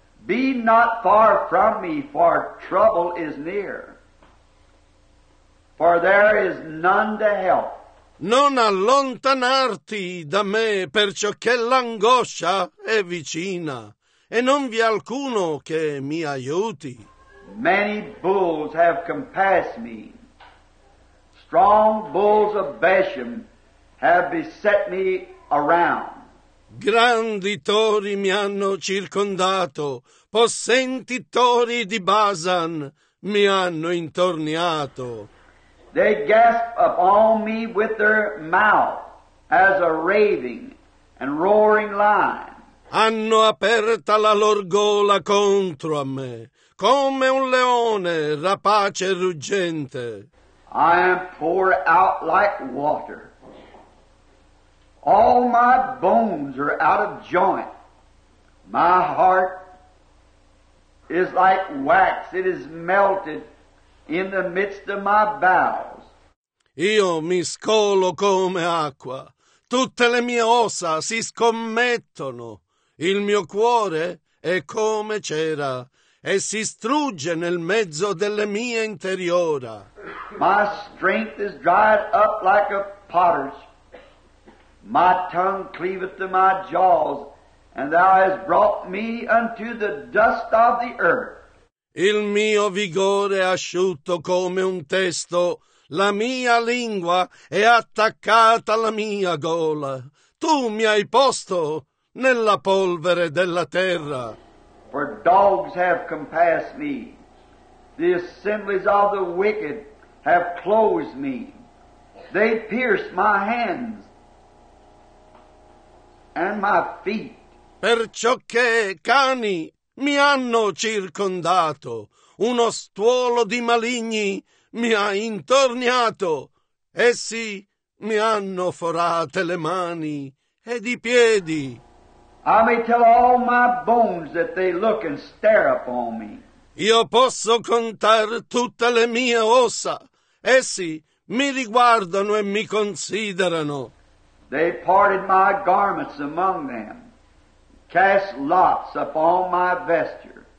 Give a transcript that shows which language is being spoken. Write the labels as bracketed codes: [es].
[en] Be not far from me, for trouble is near. For there is none to help. [it] Non allontanarti da me, perciò che l'angoscia è vicina, e non vi è alcuno che mi aiuti. [en] Many bulls have compassed me. Strong bulls of Bashan have beset me around. [it] Grandi tori mi hanno circondato, possenti tori di Basan mi hanno intorniato. [en] They gasp upon me with their mouth as a raving and roaring lion. [it] Hanno aperta la loro gola contro a me, come un leone rapace e ruggente. [en] I am poured out like water. All my bones are out of joint. My heart is like wax. It is melted in the midst of my bowels. [it] Io mi scolo come acqua. Tutte le mie ossa si scommettono. Il mio cuore è come cera e si strugge nel mezzo delle mie interiora. [en] My strength is dried up like a potter's. My tongue cleaveth to my jaws, and thou hast brought me unto the dust of the earth. [it] Il mio vigore è asciutto come un testo, la mia lingua è attaccata alla mia gola. Tu mi hai posto nella polvere della terra. [en] For dogs have compassed me, the assemblies of the wicked have closed me. They pierced my hands and my feet. [it] Perciò che cani mi hanno circondato, uno stuolo di maligni mi ha intorniato, essi mi hanno forate le mani ed i piedi. [en] I may tell all my bones that they look and stare upon me. [it] Io posso contar tutte le mie ossa. Essi mi riguardano e mi considerano. [en] They parted my garments among them, cast lots upon my vesture.